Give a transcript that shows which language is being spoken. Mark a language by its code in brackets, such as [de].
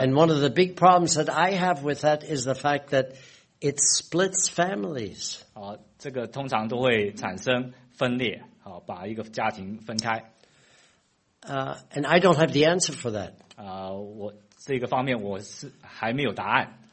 [en] And one of the big problems that I have with that is the fact that it splits families. [zh] 这个通常都会产生分裂，把一个家庭分开。 [en] And I don't have the answer for that. [zh] 我这个方面我是还没有答案。